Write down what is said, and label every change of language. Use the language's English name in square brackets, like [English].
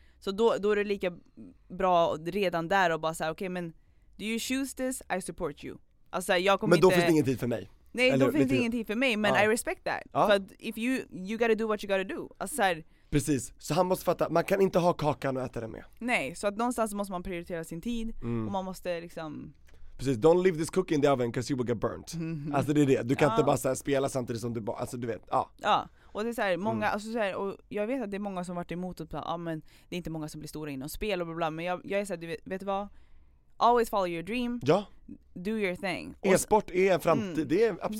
[Swedish] Så då är det lika bra redan där och bara så här, okej, men [English] do you choose this? I support you. [Swedish] Alltså, jag kommer inte... Men då finns det ingen tid för mig. Nej, eller, då finns det ingen tid för mig, men [English] I respect that. [Swedish] Ah. [English] But if you gotta do what you gotta do. [Swedish] Alltså, så här, precis, så han måste fatta, man kan inte ha kakan och äta den med. Nej, så att någonstans måste man prioritera sin tid. Mm. Och man måste liksom... Precis, [English] don't leave this cookie in the oven because you will get burnt. [Swedish] Mm. Alltså det är det, du kan inte bara så här spela samtidigt som du bara, alltså du vet. Ja, och det är så här, många, alltså så här, och jag vet att det är många som varit emot och bara, men det är inte många som blir stora inom spel och bla bla. Men jag är så här, du vet vad? [English] Always follow your dream. [Swedish] Ja. [English] Do your thing. [Swedish] E-sport är en framtid, det är absolut